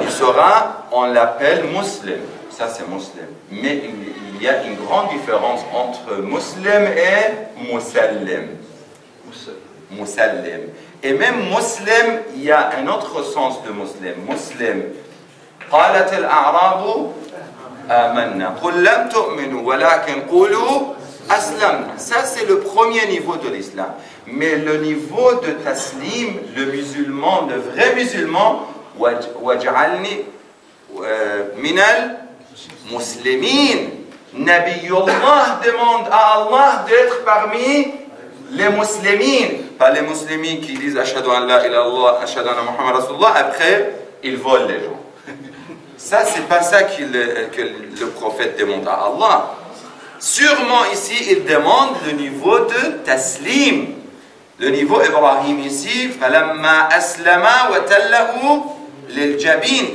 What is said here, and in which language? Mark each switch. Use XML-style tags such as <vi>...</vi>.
<fr>Il sera, on l'appelle musulman. Ça c'est musulman. Mais il y a une grande différence entre musulman et musallim. Musallim. Et même musulman, il y a un autre sens de musulman.</fr> <ar>Musulman. قالت الأعراب آمنا. قل لم تؤمنوا ولكن قولوا أسلم.</ar> <fr>Ça c'est le premier niveau de l'islam. Mais le niveau de taslim, le musulman, le vrai musulman,</fr> <ar>وجعلني من المسلمين.</ar> <fr>Nabi Allah demande à Allah d'être parmi les musulmans. Pas les musulmans qui disent</fr> <ar>أشهد أن لا إله إلا الله أشهد أن محمد رسول الله.</ar> <fr>Après, ils volent les gens. Ça, c'est pas ça que le prophète demande à Allah. Sûrement ici, il demande le niveau de taslim. Le niveau Ibrahim ici,</fr> <ar>falamma aslama wa tallahu lil jabin.</ar>